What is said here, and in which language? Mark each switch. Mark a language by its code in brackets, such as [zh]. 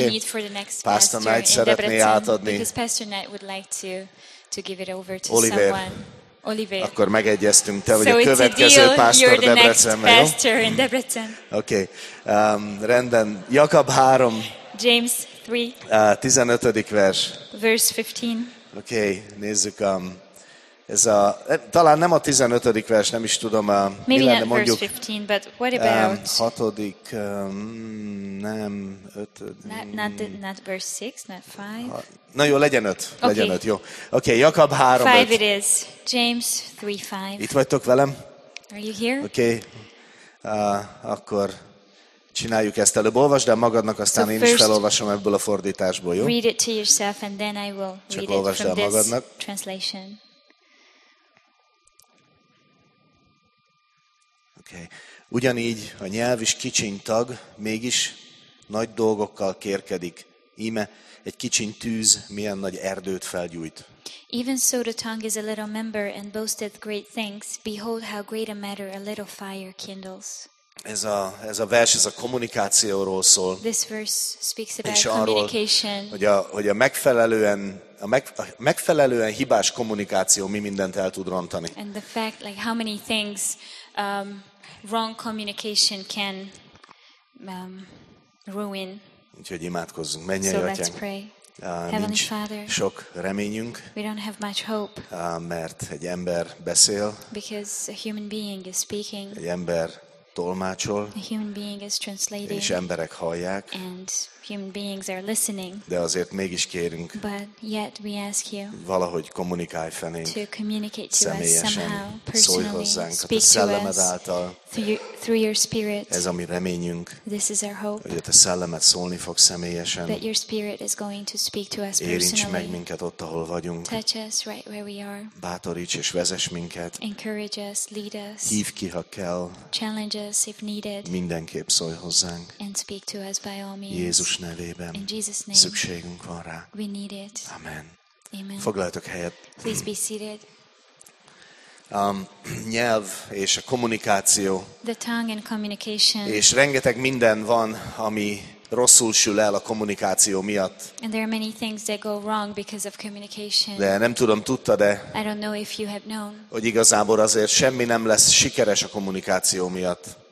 [en] There's a need for the next pastor in Debrecen, because Pastor Knight would like to give it over to Oliver. Someone. Oliver. [hu] Akkor megegyeztünk, te vagy a következő pásztor Debrecenben, jó? [en] Pastor in Debrecen. [hu] Oké, rendben. Jakab 3. [en] James 3. [hu] 15. vers. [en] Verse 15. [hu] Oké, nézzük a... Ez a, talán nem a 15. vers, nem is tudom, [en] maybe [hu] mi lenne mondjuk. [en] 15, but what about [hu] 6. Nem, 5. [en] Not verse 6, not 5. [hu] Na jó, legyen 5, jó. Oké, okay, Jakab 3, [en] 5. 5 it is, James 3, 5. [hu] Itt vagytok velem? [en] Are you here? Oké, okay. [hu] Akkor csináljuk ezt előbb, olvasd el magadnak, aztán [en] so [hu] én is felolvasom ebből a fordításból, jó? [en] Read it to yourself and then I will read [hu] csak olvasd [en] it [hu] el magadnak. [en] Translation. Okay. [hu] Ugyanígy a nyelv is kicsiny tag, mégis nagy dolgokkal kérkedik. Íme egy kicsiny tűz milyen nagy erdőt felgyújt. [en] Even so the tongue is a little member and boasteth great things. Behold how great a matter a little fire kindles. [hu] Ez a vers, ez a kommunikációról szól. [en] This verse speaks about communication. [hu] Hogy a megfelelően megfelelően hibás kommunikáció mi mindent el tud rontani. [en] And the fact like how many things wrong communication can ruin. [hu] Úgyhogy imádkozzunk, mennyei [en] so [hu] atyánk. Nincs [en] Father, [hu] sok reményünk. [en] We don't have much hope. [hu] Mert egy ember beszél. [en] Because a human being is speaking. [hu] Egy ember tolmácsol. [en] A human being is translating. [hu] És emberek hallják. [en] And human beings are listening. [hu] De azért mégis kérünk. [en] But yet we ask you. [hu] Valahogy kommunikálj felénk. [en] To communicate to us somehow, personally. [hu] Szólj hozzánk, [en] speak [hu] a te szellemed által. [en] Through your spirit. [hu] Ez a mi reményünk. [en] This is our hope. [hu] Hogy a te szellemed szólni fog személyesen. [en] That your spirit is going to speak to us personally. [hu] Érints meg minket ott, ahol vagyunk. [en] Touch us right where we are. [hu] Bátoríts és vezess minket. [en] Encourage us, lead us. [hu] Hívj ki, ha kell. [en] Challenge us if needed. [hu] Mindenképp szólj hozzánk. [en] And speak to us by all means. [hu] Jézus nevében. [en] In Jesus name. [hu] Szükségünk van rá. [en] We need it. Amen. Amen. [hu] Foglaljatok helyet. [en] Please be seated. [hu] A nyelv és a kommunikáció. [en] The tongue and communication. [hu] És rengeteg minden van, ami rosszul sül el a kommunikáció miatt. [en] And there are many things that go wrong because of communication. [hu] De nem tudom, tudtad, de [en] I don't know if you have known. [hu] Hogy igazából azért semmi nem lesz sikeres a kommunikáció miatt.